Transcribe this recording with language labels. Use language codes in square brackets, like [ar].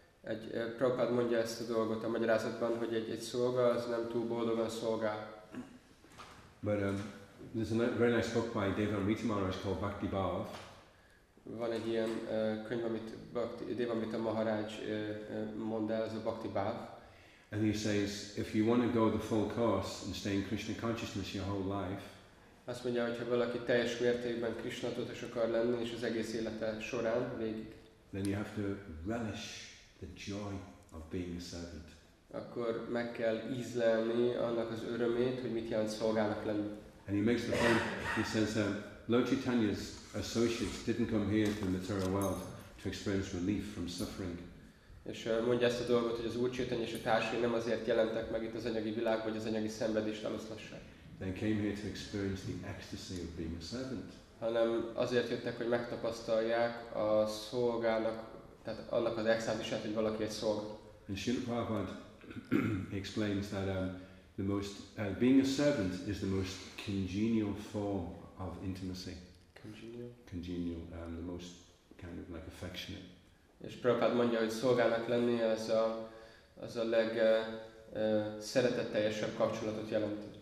[hu] Egy Prabhupád mondja ezt a dolgot a magyarázatban, hogy egy szolga az nem túl boldogan szolgál. [en] But there's a very nice book by Devamrita Maharaj called Bhakti Bhav. [hu] Van egy ilyen könyv, amit Devamrita Maharaj mond el, ez a Bhakti Bhav. [en] And he says, if you want to go the full course and stay in Krishna consciousness your whole life, [hu] azt mondja, hogyha valaki teljes mértékben Krishna tudatos akar lenni és az egész élete során végig, [en] then you have to relish the joy of being a servant. [hu] Akkor meg kell ízlelni annak az örömét, hogy mit jelent szolgának lenni. [en] And he makes the point, he says, Lord Chaitanya's associates didn't come here to the material world to experience relief from suffering. [hu] És mondja ezt a dolgot, hogy az Úr Chaitanya és a társai nem azért jelentek meg itt az anyagi világban, hogy az anyagi szenvedést eloszlassák. [en] They came here to experience the ecstasy of being a servant. [hu] Hanem azért jöttek, hogy megtapasztalják a szolgának, tehát annak az extázisát, hogy valaki egy szolga. [en] And Srila Prabhupada explains that the most being a servant is the most congenial form of intimacy. Congenial? Congenial, the most kind of like affectionate. [hu] És Prabhupád mondja, hogy szolgának lenni az a, az a leg szeretetteljesebb kapcsolatot jelent.